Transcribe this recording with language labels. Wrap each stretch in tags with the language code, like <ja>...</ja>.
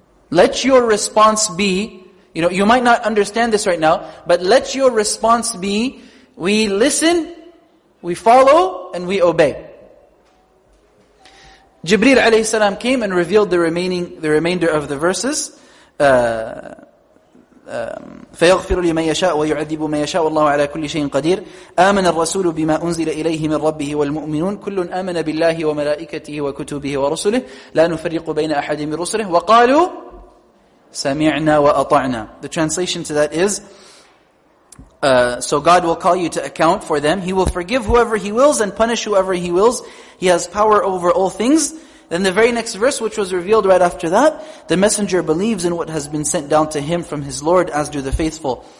<en>Let your response be, you know, you might not understand this right now, but let your response be, we listen, we follow, and we obey. Jibreel alayhi salam came and revealed the remainder of the verses.</en> <ar>فيغفر لمن يشاء ويعذب من يشاء والله على كل شيء قدير آمن الرسول بما أنزل إليه من ربه والمؤمنون كل آمن بالله وملائكته وكتبه ورسله لا نفرق بين أحد من رسله وقالوا سمعنا وأطعنا.</ar> <en>The translation to that is, so God will call you to account for them. He will forgive whoever He wills and punish whoever He wills. He has power over all things. Then the very next verse, which was revealed right after that, the messenger believes in what has been sent down to him from his Lord, as do the faithful.</en>